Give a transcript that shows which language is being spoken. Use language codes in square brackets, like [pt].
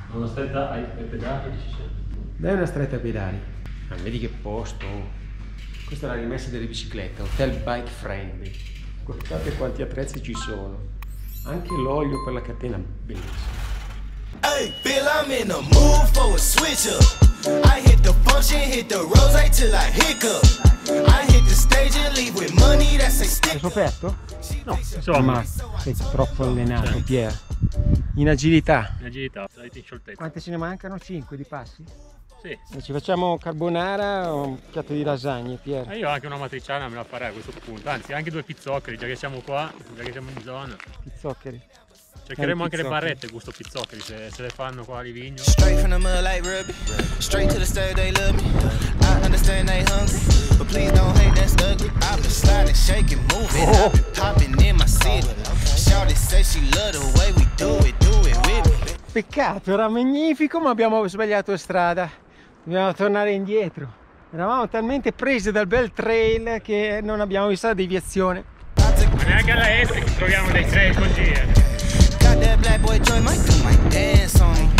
[it] Una stretta ai pedali, ci siamo. Dai una stretta ai pedali. Ma vedi che posto. Questa è la rimessa delle biciclette, hotel bike friendly. Guardate quanti attrezzi ci sono. Anche l'olio per la catena, bellissimo. [en] Hey, Bill, I'm in the mood for a switch up. I hit the function, hit the rose till I hiccup. I hit the stage and leave with money that's a stick. [it] Hai sofferto? No, insomma, sei troppo allenato, Pier. In agilità. In agilità, dai, in scioltezza. Quante ce ne mancano? 5 di passi? Sì. Ci facciamo carbonara o un piatto di lasagne, Pier? Io anche una matriciana me la farei a questo punto. Anzi, anche due pizzoccheri, già che siamo qua, già che siamo in zona. Pizzoccheri. Cercheremo anche le barrette gusto pizzoccheri, se le fanno qua a Livigno. [en] Straight from the mud like Ruby. Straight to the stage they love me. I understand they hungry. But please don't hate that's ugly. I've been sliding, shaking, moving. I've been popping in my city. Shawty say she love the way we do it. [it] Peccato, era magnifico, ma abbiamo sbagliato strada. Dobbiamo tornare indietro. Eravamo talmente presi dal bel trail che non abbiamo visto la deviazione. Ma neanche alla est che troviamo dei trail così. [en] Got that black boy joy, my put my dance on.